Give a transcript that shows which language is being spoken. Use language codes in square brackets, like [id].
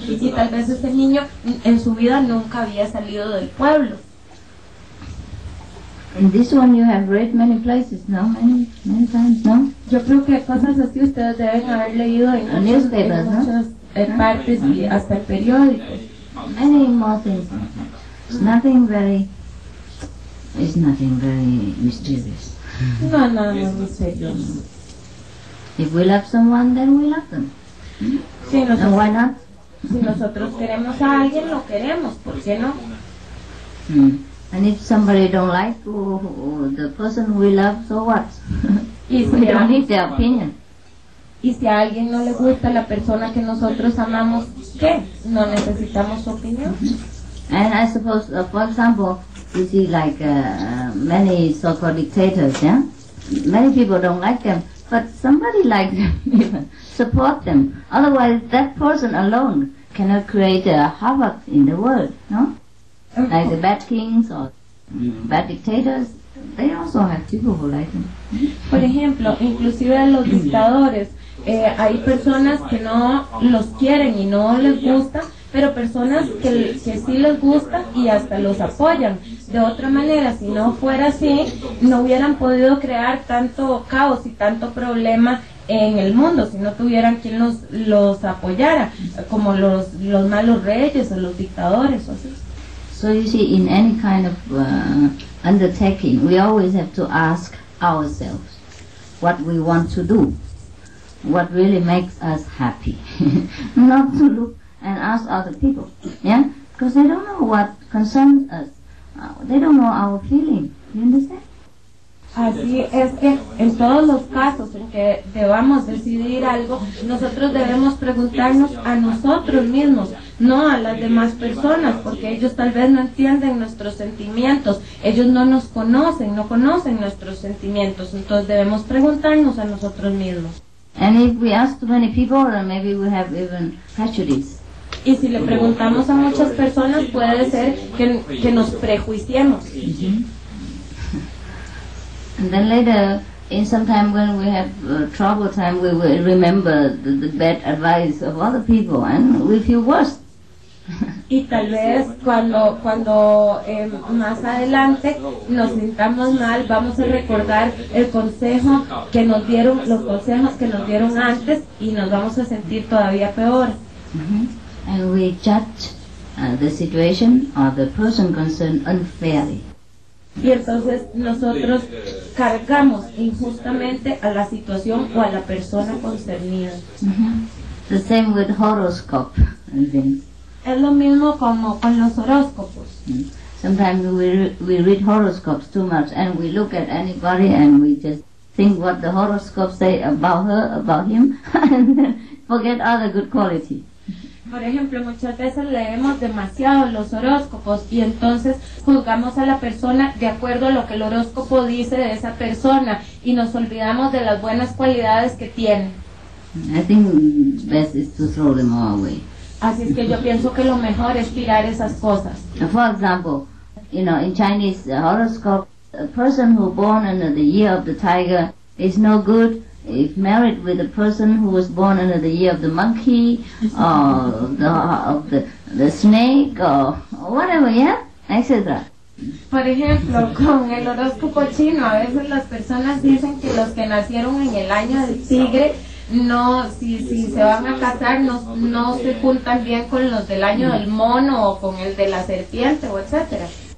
[es] Y tal vez ese niño en su vida nunca había salido del pueblo. [en] And this one you have read many places, no? Many times, no? [es] Yo creo que cosas así ustedes deben haber leído en [en] the newspapers, [es] muchos, no? En partes y hasta el periódico. [en] Many more things. It's nothing very mysterious. [es] No, misterio. [en] If we love someone, then we love them. [es] Sí, nosotros, [en] and why not? [es] Si nosotros queremos a alguien, lo queremos, ¿por qué no? [en] And if somebody don't like the person we love, so what? We don't need their opinion. [es] Y si a alguien no le gusta la persona que nosotros amamos, ¿qué? No necesitamos su opinión. [en] And I suppose, for example, you see like many so-called dictators, yeah? Many people don't like them, but somebody likes them, support them. Otherwise, that person alone cannot create a havoc in the world, no? Like the bad kings or bad dictators, they also have people who like them. [es] Por ejemplo, inclusive los dictadores, hay personas que no los quieren y no les gusta, pero personas que sí les gusta y hasta los apoyan. De otra manera, si no fuera así, no hubieran podido crear tanto caos y tanto problema en el mundo, si no tuvieran quien los apoyara, como los malos reyes o los dictadores o así. [en] So you see, in any kind of undertaking, we always have to ask ourselves what we want to do, what really makes us happy, not to look and ask other people, yeah? Because they don't know what concerns us, they don't know our feeling, you understand? [es] Así es que en todos los casos en que debamos decidir algo, nosotros debemos preguntarnos a nosotros mismos, no a las demás personas, porque ellos tal vez no entienden nuestros sentimientos, ellos no nos conocen, no conocen nuestros sentimientos, entonces debemos preguntarnos a nosotros mismos. [en] And if we ask too many people, then maybe we have even prejudice. [es] Y si le preguntamos a muchas personas, puede ser que nos prejuiciemos. [en] And then later, in some time when we have trouble time, we will remember the bad advice of other people, and we feel worse. [es] Y tal vez cuando más adelante nos sintamos mal, vamos a recordar el consejo que nos dieron, los consejos que nos dieron antes, y nos vamos a sentir todavía peor. Mm-hmm. [en] And we judge the situation or the person concerned unfairly. [es] Y entonces nosotros cargamos injustamente a la situación o a la persona concernida. [en] Mm-hmm. The same with horoscope, I think. [es] Es lo mismo como con los horóscopos. [en] Sometimes we read horoscopes too much and we look at anybody and we just think what the horoscopes say about her, about him, and forget other good qualities. [es] Por ejemplo, muchas veces leemos demasiado los horóscopos y entonces juzgamos a la persona de acuerdo a lo que el horóscopo dice de esa persona y nos olvidamos de las buenas cualidades que tiene. [en] I think best is to throw them all away. [es] Así es que yo pienso que lo mejor es tirar esas cosas. [en] For example, you know, in Chinese horoscope, a person who born under the year of the tiger is no good. If married with a person who was born under the year of the monkey, or the snake, or whatever, yeah, etc. [es] Por ejemplo, con el horóscopo chino, a veces las personas dicen que los que nacieron en el año del tigre, no, si se van a casar, no se juntan bien con los del año del mono, o con el de la serpiente, o etc.